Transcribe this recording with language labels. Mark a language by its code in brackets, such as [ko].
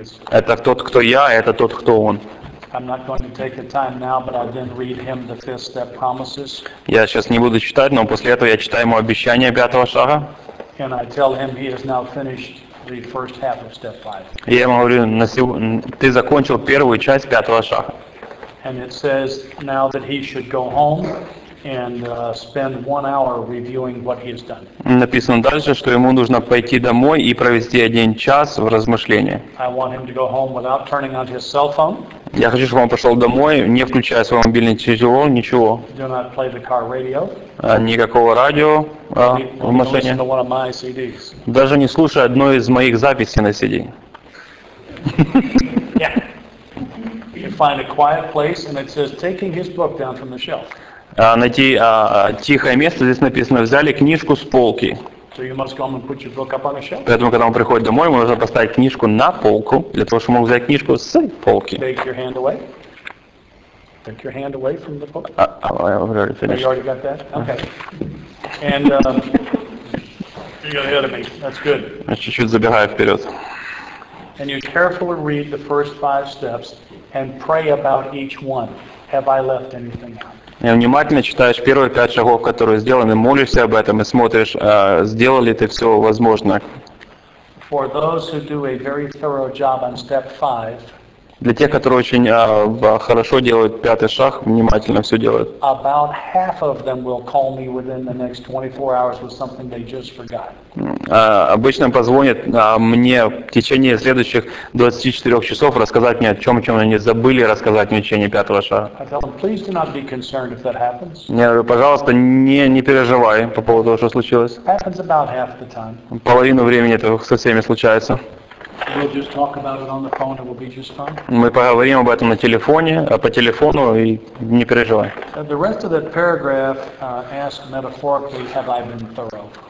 [ru] Это тот, кто я, это тот, кто он. [en] I'm not going to take the time now, but I then read him the fifth step promises. [ru] Я сейчас не буду читать, но после этого я читаю ему обещание пятого шага. [en] And I tell him he has now finished the first half of step five. [ru] Я ему говорю, ты закончил первую часть пятого шага. [en] And it says now that he should go home and spend 1 hour reviewing what he has done. [ru] Написано дальше, что ему нужно пойти домой и провести 1 час в размышлении. [en] I want him to go home without turning on his cell phone. [ru] Я хочу, чтобы он пошел домой, не включая свой мобильный телефон, ничего. [en] Do not play the car radio. [ru] Никакого радио в машине. [en] Don't listen to one of my CDs. [ru] Даже не слушай одной из моих записей на CD. [en] Yeah. You find a quiet place, and it says taking his book down from the shelf. [ru] Найти тихое место, здесь написано, взяли книжку с полки. [en] So you must come and put your book up on a shelf. [ru] Поэтому, когда он приходит домой, ему нужно поставить книжку на полку, для того, чтобы он мог взять книжку с полки. [en] Take your hand away. Take your hand away from the book. I've already finished. Oh, you already got that? Okay. And you're ahead of me. That's good. [ru] Я чуть-чуть забегаю вперед. [en] And you carefully read the first 5 steps and pray about each one. Have I left anything out? [ru] И внимательно читаешь первые 5 шагов, которые сделаны, молишься об этом и смотришь, сделал ли ты все возможное. [en] For those who do a very thorough job on step 5, [ru] Для тех, которые очень хорошо делают пятый шаг, внимательно все делают. [en] About half of them will call me within the next 24 hours with something they just forgot. [ru] Обычно позвонят мне в течение следующих 24 часов рассказать мне о чем они забыли рассказать мне в течение пятого шага. [en] I tell them, please do not be concerned if that happens. [ru] Я говорю, пожалуйста, не переживай по поводу того, что случилось. [en] It happens about half the time. [ru] Половину времени это со всеми случается. [en] We'll just talk about it on the phone, it will be just fine. [ru] Мы поговорим об этом на телефоне, по телефону, и не переживай. [en] The rest of that paragraph asks metaphorically, have I been thorough?